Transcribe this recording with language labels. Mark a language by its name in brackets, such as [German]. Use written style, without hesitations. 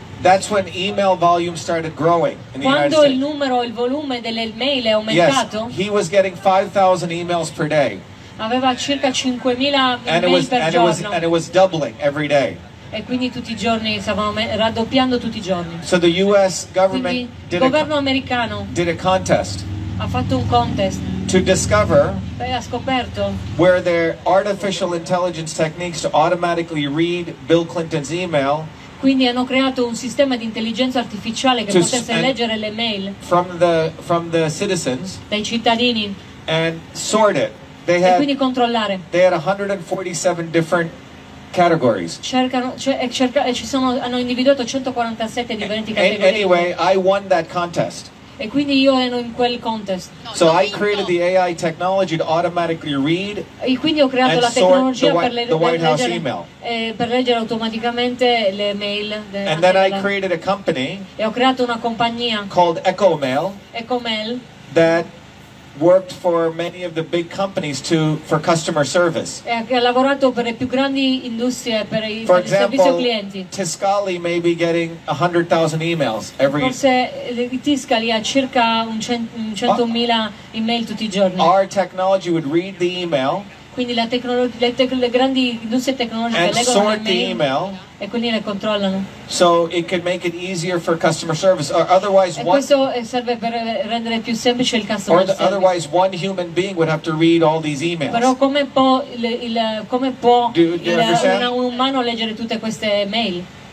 [English] That's when email volume started growing in the [Italian] Quando [English] United States. [Italian] Il numero, il volume delle mail è aumentato? [English] Yes, he was getting 5,000 emails per day. [Italian] Aveva circa 5,000 email per giorno. [English] And it was doubling every day. [Italian] E quindi tutti i giorni stavano raddoppiando tutti i giorni. [English] So the US government [Italian] quindi, il governo americano [English] did a contest. [Italian] Ha fatto un contest. [English] To discover [Italian] ha scoperto [English] where their artificial intelligence techniques to automatically read Bill Clinton's email. [Italian] Quindi hanno creato un sistema di intelligenza artificiale che potesse leggere le mail [English] from the citizens [Italian] dai cittadini [English] and sort it. They had, [Italian] e quindi controllare. [English] They had 147 different categories. [Italian] Hanno individuato 147 differenti categorie. [English] Anyway, I won that contest. [Italian] E quindi io ero in quel contest. [English] So I created the AI technology to automatically read. [Italian] E quindi ho creato la tecnologia per leggere automaticamente le mail. [English] And then I created a company. [Italian] E ho creato una compagnia. [English] Called Echo Mail. [Italian] Echo Mail. [English] That worked for many of the big companies to for customer service. [Italian] Ha lavorato per le più grandi industrie per il [English] for example, [Italian] servizio clienti. [English] Tiscali may be getting 100,000 emails every. [Italian] Forse Tiscali ha circa 100,000 email tutti i giorni. [English] Our technology would read the email. [Italian] Quindi la tecnologia le grandi industrie tecnologiche [English] and [Italian] leggono [English] sort [Italian] le mail. [English] Email. [Italian] E quindi le controllano. [English] So it could make it easier for customer service or otherwise [Italian] e questo serve per rendere più semplice il customer [English] or [Italian] service. [English] Otherwise one human being would have to read all these emails. [Italian] Però come può un umano leggere tutte queste mail?